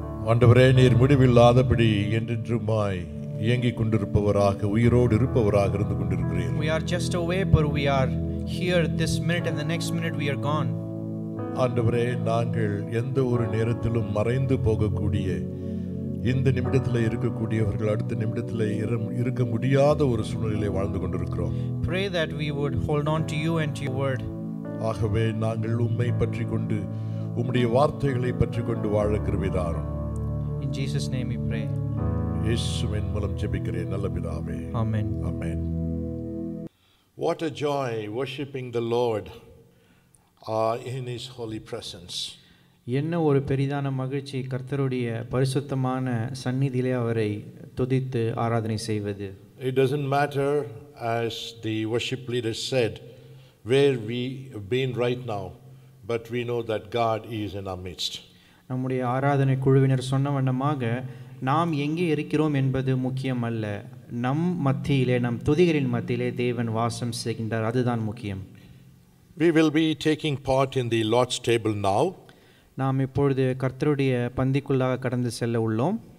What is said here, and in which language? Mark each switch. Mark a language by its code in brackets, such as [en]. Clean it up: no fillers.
[ta] ஆண்டவரே நீர் முடிவில்லாதபடி என்றென்றுமாய் இயங்கிக் கொண்டிருப்பவராக உயிரோடு இருப்பவராக இருந்து கொண்டிருக்கிறீர். [en] We are just a vapor, we are here this minute and the next minute we are gone. [ta] ஆண்டவரே நாங்கள் எந்த ஒரு நேரத்திலும் மறைந்து போகக்கூடிய இந்த நிமிடத்திலே இருக்கக்கூடியவர்கள் அடுத்த நிமிடத்திலே இருக்க முடியாத ஒரு சூழ்நிலையில் வாழ்ந்து கொண்டிருக்கிறோம். [en] Pray that we would hold on to you and to your word. [ta] ஆகவே நாங்கள் உம்மை பற்றி கொண்டு உம்முடைய வார்த்தைகளை பற்றி கொண்டு வாழ கிருபை தாரும். [en] In Jesus' name we pray. [ta] இயேசுவின் மூலம் ஜெபிக்கிறேன் நல்ல பிதாவே. [en] Amen. Amen. What a joy worshiping the Lord in His holy presence. [ta] என்ன ஒரு பெரிதான மகிழ்ச்சி கர்த்தருடைய பரிசுத்தமான சந்நிதியிலே அவரை துதித்து ஆராதனை செய்வது. [en] It doesn't matter, as the worship leader said, where we have been right now, but we know that God is in our midst. [ta] நம்முடைய ஆராதனை குழுவினர் சொன்ன வண்ணமாக நாம் எங்கே இருக்கிறோம் என்பது முக்கியம் அல்ல, நம் மத்தியிலே நம் துதிகளின் மத்தியிலே தேவன் வாசம் செய்கின்றார், அதுதான் முக்கியம். [en] We will be taking part in the Lord's table now. [ta] நாம் இப்பொழுது கர்த்தருடைய பந்திக்குள்ளாக கடந்து செல்ல உள்ளோம்.